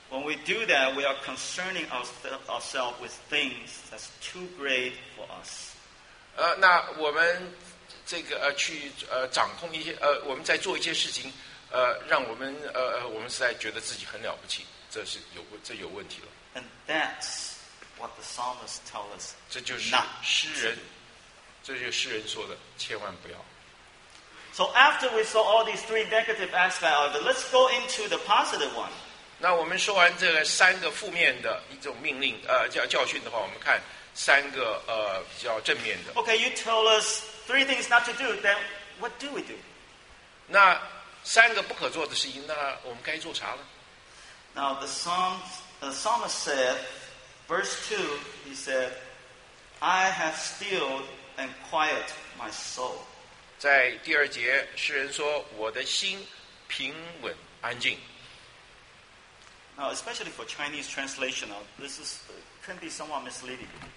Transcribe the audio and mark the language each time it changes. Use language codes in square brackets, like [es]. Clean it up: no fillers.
[en] When we do that, we are concerning ourselves with things that's too great for us. [zh] 那我们这个去掌控一些我们在做一些事情，让我们实在觉得自己很了不起，这有问题了。 [en] And that's what the psalmist tells us. [zh] 这就是诗人，这就是诗人说的，千万不要。 [en] So after we saw all these three negative aspects of it, let's go into the positive one. [zh] 那我们说完这个三个负面的一种命令教训的话，我们看三个比较正面的。 [en] Okay, you told us three things not to do. Then what do we do? [zh] 那三个不可做的事情，那我们该做啥了？ [en] Now the psalmist said, verse 2, he said, I have stilled and quiet my soul. [zh] 在第二节，诗人说，我的心平稳安静。 [en] Now, especially for Chinese translation, this is can be somewhat misleading.